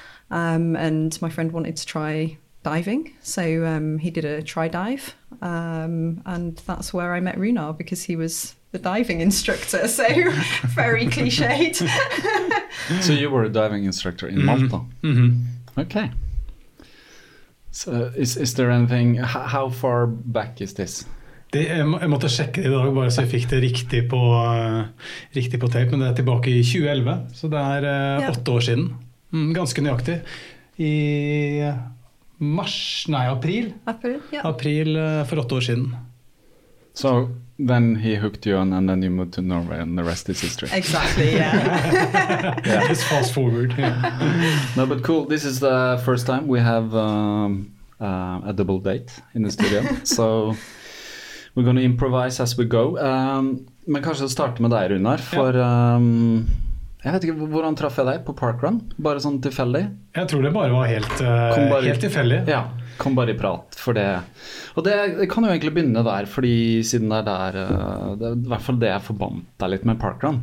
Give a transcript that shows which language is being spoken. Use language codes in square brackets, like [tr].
[en] And my friend wanted to try diving, so he did a try dive, and that's where I met Runar, because he was the diving instructor, so very cliched. So you were a diving instructor in mm-hmm. Malta. Mm-hmm. Okay. So is there anything, how far back is this? [no] Det, jeg måtte sjekke det I dag, bare så jeg fikk det riktig på, riktig på tape, men det tilbake I 2011, så det yeah. 8 år siden. Ganske nøyaktig. I mars, nei, april. April, ja. Yeah. April for 8 år siden. [en] So then he hooked you on and then you moved to Norway and the rest is history. Exactly, yeah. yeah. Just fast forward. Yeah. No, but cool. This is the first time we have a double date in the studio. So we're going to improvise as we go. [no] Men kanskje å starte med deg, Runar, for... Jeg vet ikke, hvordan traff jeg deg på Parkrun? Bare sånn tilfeldig? Jeg tror det bare var helt, helt tilfeldig. Ja, kom bare I prat for det. Og det kan jo egentlig begynne der, fordi siden det der, det I hvert fall det jeg forbant deg litt med Parkrun.